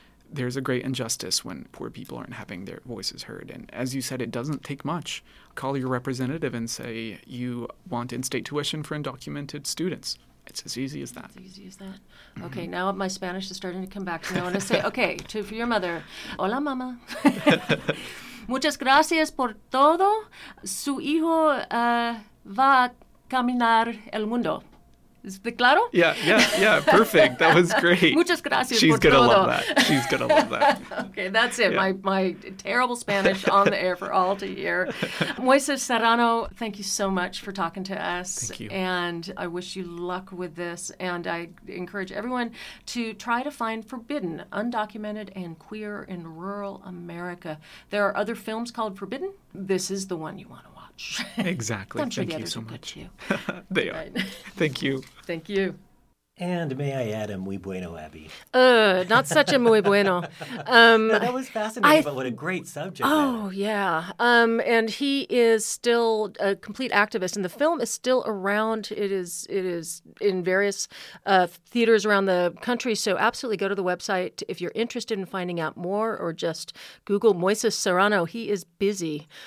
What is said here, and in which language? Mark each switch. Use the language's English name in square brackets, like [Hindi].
[English] There's a great injustice when poor people aren't having their voices heard. And as you said, it doesn't take much. Call your representative and say you want in-state tuition for undocumented students. It's as easy as that. It's as easy as that. Mm-hmm. Okay, now my Spanish is starting to come back. So I want to say, okay, for your mother. [Spanish] Hola, mama. Muchas gracias por todo. Su hijo va a caminar el mundo. [English] Is it claro? Yeah, perfect. That was great. [Spanish] Muchas gracias. [English] She's going to love that. She's going to love that. Okay, that's it. Yeah. My terrible Spanish on the air for all to hear. Moises Serrano, thank you so much for talking to us. Thank you. And I wish you luck with this. And I encourage everyone to try to find Forbidden, Undocumented and Queer in Rural America. There are other films called Forbidden. This is the one you want to watch. Exactly. Sure, thank you so much. They are. Right. Thank you. Thank you. And may I add a [Spanish] muy bueno, [English] Abby? Not such a [Spanish] muy bueno. [English] No, that was fascinating, but what a great subject. Oh, that. Yeah. And he is still a complete activist, and the film is still around. It is in various theaters around the country, so absolutely go to the website if you're interested in finding out more, or just Google Moises Serrano. He is busy.